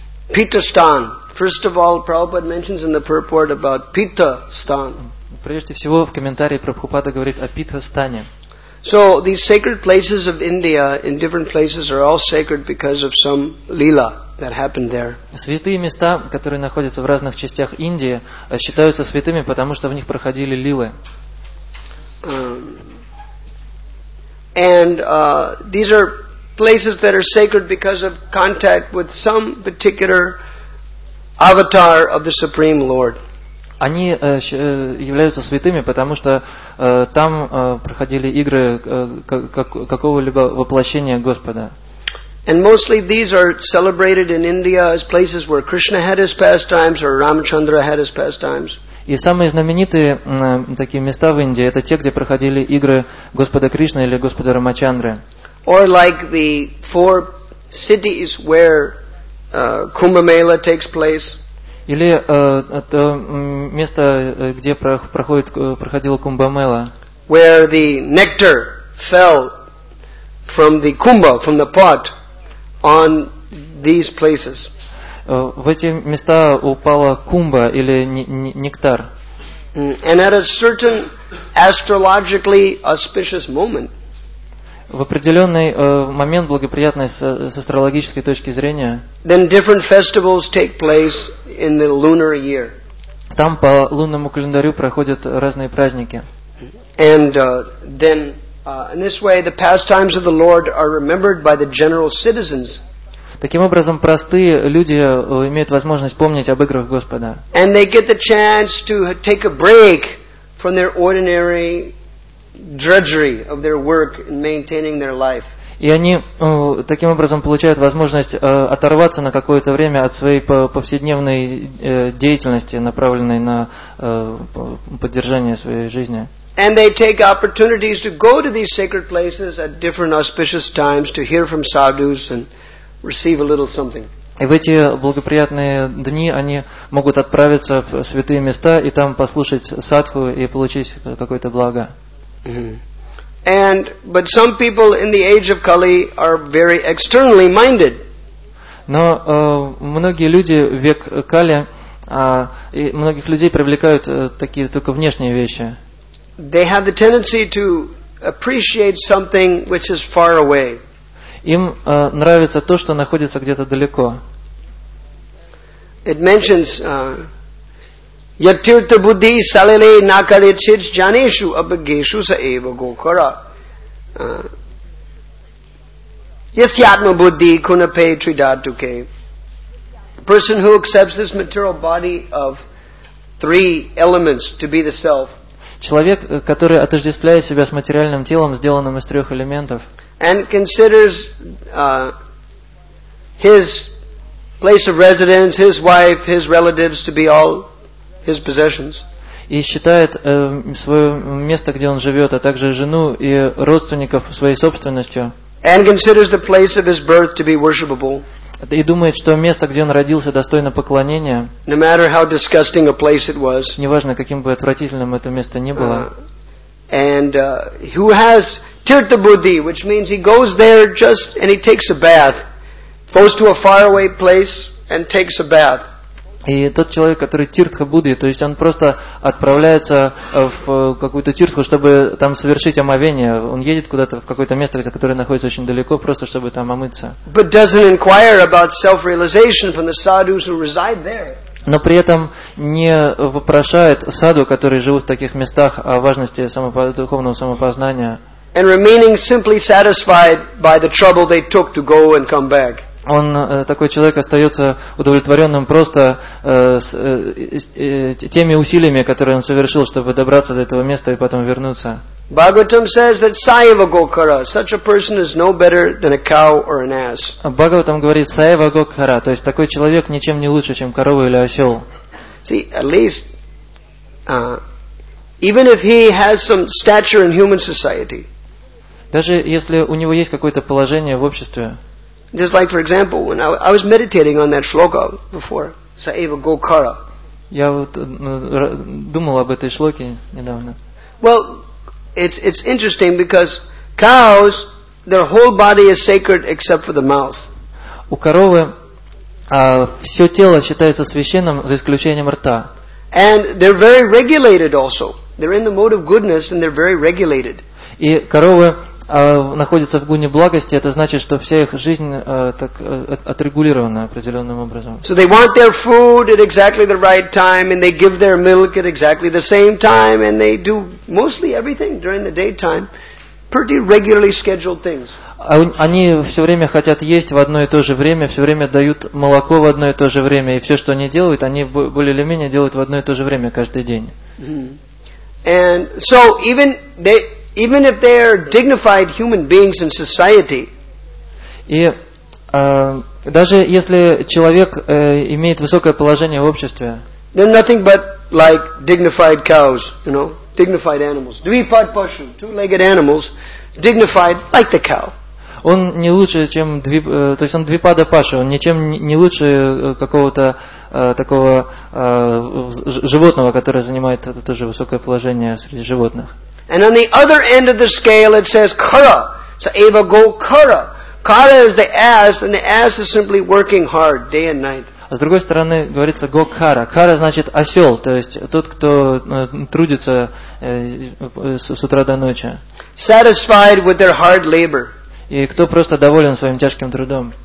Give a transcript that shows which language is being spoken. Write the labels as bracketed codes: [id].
[en] Pitastan. First of all, Prabhupada mentions in the purport about Pitta Stan. [ru] Прежде всего, в комментарии Прабхупада говорит о Питта Стане. [en] So these sacred places of India in different places are all sacred because of some lila that happened there. [ru] Святые места, которые находятся в разных частях Индии, считаются святыми, потому что в них проходили лилы. [en] These are places that are sacred because of contact with some particular Avatar of the Supreme Lord. [ru] Они являются святыми, потому что там проходили игры какого-либо воплощения Господа. [en] And mostly these are celebrated in India as places where Krishna had his pastimes or Ramachandra had his pastimes. [ru] И самые знаменитые такие места в Индии — это те, где проходили игры Господа Кришны или Господа Рамачандры. [en] Or like the four cities where Kumbh Mela takes place. [ru] Или это место, где проходила Кумбха Мела. [en] Where the nectar fell from the Kumbha, from the pot, on these places. [ru] В эти места упала Кумбха или нектар. [en] And at a certain astrologically auspicious moment. [ru] В определенный момент, благоприятный с астрологической точки зрения, [en] then different festivals take place in the lunar year. [ru] Там по лунному календарю проходят разные праздники. [en] And in this way the pastimes of the Lord are remembered by the general citizens. [ru] Таким образом, простые люди имеют возможность помнить об играх Господа. [en] And they get the chance to take a break from their ordinary drudgery of their work in maintaining their life. [ru] И они таким образом получают возможность оторваться на какое-то время от своей повседневной деятельности, направленной на поддержание своей жизни. [en] And they take opportunities to go to these sacred places at different auspicious times to hear from sadhus and receive a little something. [ru] И в эти благоприятные дни они могут отправиться в святые места и там послушать садху и получить какое-то благо. [en] And but some people in the age of Kali are very externally minded. [ru] Но многие люди в век Кали, и многих людей привлекают такие только внешние вещи. [en] They have the tendency to appreciate something which is far away. [ru] Им нравится то, что находится где-то далеко. [en] It mentions [sa] Yatirtha buddhi salile nakale chich janeshu abhageshu sa eva gokara. Yasyatma buddhi kunape tridatuke. [en] The person who accepts this material body of three elements to be the self. [ru] Человек, который отождествляет себя с материальным телом, сделанным из трех элементов, [en] and considers his place of residence, his wife, his relatives to be all his possessions. [ru] И считает свое место, где он живет, а также жену и родственников своей собственностью. [en] And considers the place of his birth to be worshipable. [ru] И думает, что место, где он родился, достойно поклонения. [en] No matter how disgusting a place it was. [ru] Неважно, каким бы отвратительным это место ни было. [en] And who has Tirtha Buddhi, which means he goes there just and he takes a bath, goes to a faraway place and takes a bath. [ru] И тот человек, который Тиртха Будди, то есть он просто отправляется в какую-то тиртху, чтобы там совершить омовение. Он едет куда-то в какое-то место, которое находится очень далеко, просто чтобы там омыться. [en] But doesn't inquire about self-realization from the sadhus who reside there. [ru] Но при этом не вопрошает саду, которые живут в таких местах, о важности духовного самопознания. [en] And remaining simply satisfied by the trouble they took to go and come back. [ru] Он, такой человек, остается удовлетворенным просто теми усилиями, которые он совершил, чтобы добраться до этого места и потом вернуться. [en] Bhagavatam says that Saiva Gokara, such a person is no better than a cow or an ass. [ru] Bhagavatam говорит Saiva Gokara, то есть такой человек ничем не лучше, чем корова или осел. [en] See, at least, even if he has some stature in human society. [ru] Даже если у него есть какое-то положение в обществе. [en] Just like, for example, when I was meditating on that shloka before, Saiva Gokara. [ru] Я вот думал об этой шлоке недавно. [en] Well, it's interesting because cows, their whole body is sacred except for the mouth. [ru] У коровы все тело считается священным за исключением рта. [en] And they're very regulated also. They're in the mode of goodness and they're very regulated. [ru] И коровы находятся в гуне благости, это значит, что вся их жизнь так отрегулирована определенным образом. [en] So they want their food at exactly the right time, and they give their milk at exactly the same time, and they do mostly everything during the daytime, pretty regularly scheduled things. [ru] Они все время хотят есть в одно и то же время, все время дают молоко в одно и то же время, и все, что они делают, они более или менее делают в одно и то же время каждый день. [en] And so even they. Even if they are dignified human beings in society. [ru] И даже если человек имеет высокое положение в обществе. [en] They're nothing but like dignified cows, you know, dignified animals. [sa] Dvipad pashu, [en] two-legged animals, dignified like the cow. [ru] Он не лучше, чем то есть он двипада паша, он ничем не лучше какого-то такого животного, которое занимает тоже высокое положение среди животных. [en] And on the other end of the scale it says kara. [sa] So eva go kara. [en] Kara is the ass and the ass is simply working hard day and night. [ru] А с другой стороны говорится go kara. Kara значит осел, то есть тот, кто трудится с утра до ночи. [en] Satisfied with their hard labor. [ru] И кто просто доволен своим тяжким трудом.